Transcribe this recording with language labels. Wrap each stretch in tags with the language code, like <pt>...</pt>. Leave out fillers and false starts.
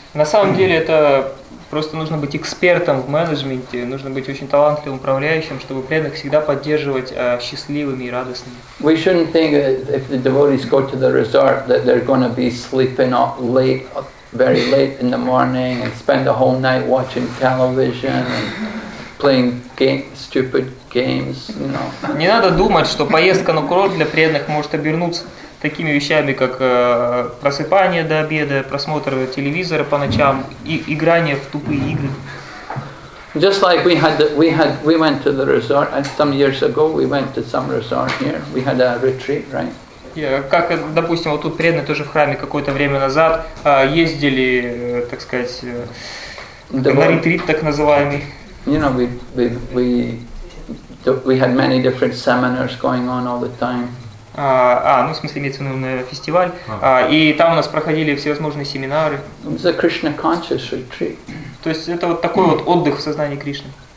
<ru>На самом деле это просто нужно быть экспертом в менеджменте, нужно быть очень талантливым управляющим, чтобы преданных всегда поддерживать счастливыми и радостными.</ru> <en>We shouldn't think that if the devotees go to the resort that they're going to be sleeping up late, very late in the morning, and spend the whole night watching television and playing stupid games, you know.</en> <ru>Не надо думать, что поездка на курорт для преданных может обернуться такими вещами, как просыпание до обеда, просмотр телевизора по ночам и играние в тупые игры.</ru> <en>Just like we went to the resort some years ago, we went to some resort here. We had a retreat, right?</en> <ru>Как, допустим, вот тут преданные тоже в храме какое-то время назад ездили, так сказать, на ретрит так называемый.</ru> <en>You know, we had many different seminars going on all the time.</en> <ru>В смысле, имеется в виду на фестиваль. И там у нас проходили всевозможные семинары.</ru> <en>It's a Krishna conscious retreat.</en> <ru>То есть это вот такой вот отдых в сознании Кришны.</ru>